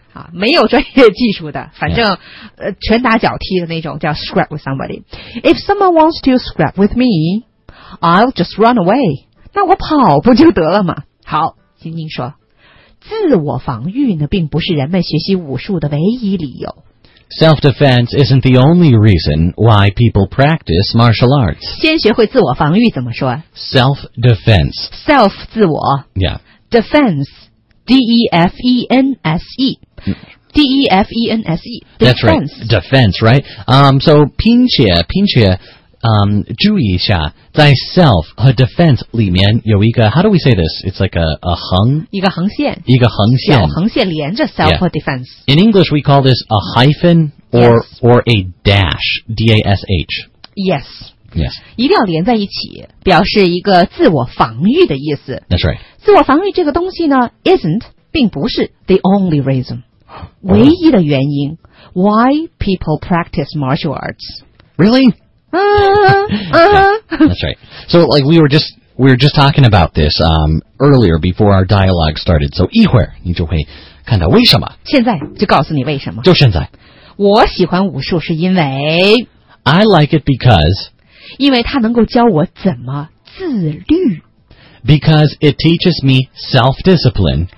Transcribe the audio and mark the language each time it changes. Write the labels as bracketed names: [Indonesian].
[Chinese] 啊，没有专业技术的，反正、yeah. 拳打脚踢的那种叫 [English] scrap with somebody。 If someone wants to scrap with me, I'll just run away。 [Chinese] 那我跑不就得了吗？好，晶晶说，自我防御呢，并不是人们学习武术的唯一理由。 [English] Self-defense isn't the only reason why people practice martial arts. [Chinese] 先学会自我防御怎么说? [English] Self-defense. Self, 自我。 Yeah. Defense, D-E-F-E-N-S-E. D-E-F-E-N-S-E. That's right. Defense, right? So, [Chinese] 拼写, 注意一下, [English] 在 self 和 defense 里面有一个, how do we say this? It's like a 横。 [Chinese] 一个横线。一个横线。小横线连着 self、 [English] yeah. [Chinese] 和 defense. [English] In English, we call this a hyphen or,、yes. or a dash, D-A-S-H. Yes. Yes. [Chinese] 一定要连在一起,表示一个自我防御的意思。 [English] That's right. [Chinese] 自我防御这个东西呢 isn't, 并不是 [English] the only reason. [Chinese] 唯一的原因 [English] why people practice martial arts. Really? yeah, that's right. So, like, we were just talking about this, earlier before our dialogue started. [Chinese] So, 一会儿你就会看到为什么。现在就告诉你为什么。就现在。我喜欢武术是因为。 [English] I like it because. [Chinese] 因为它能够教我怎么自律。 [English] Because it teaches me self-discipline.